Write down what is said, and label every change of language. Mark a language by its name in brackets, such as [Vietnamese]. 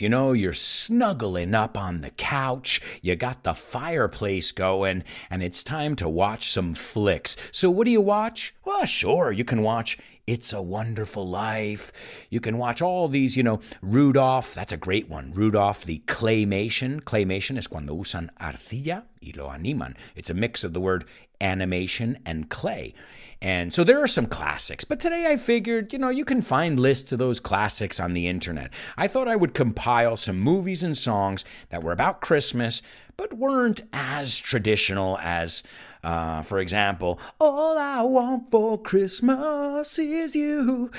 [English] You know, you're snuggling up on the couch, you got the fireplace going, and it's time to watch some flicks. So what do you watch? Well, sure, you can watch It's a Wonderful Life. You can watch all these, you know, Rudolph, that's a great one. Rudolph the Claymation. [Spanish] Claymation es cuando usan arcilla y lo animan. [English] It's a mix of the word animation and clay. And so there are some classics, but today I figured, you know, you can find lists of those classics on the internet. I thought I would compile some movies and songs that were about Christmas, but weren't as traditional as, for example, All I Want for Christmas Is You.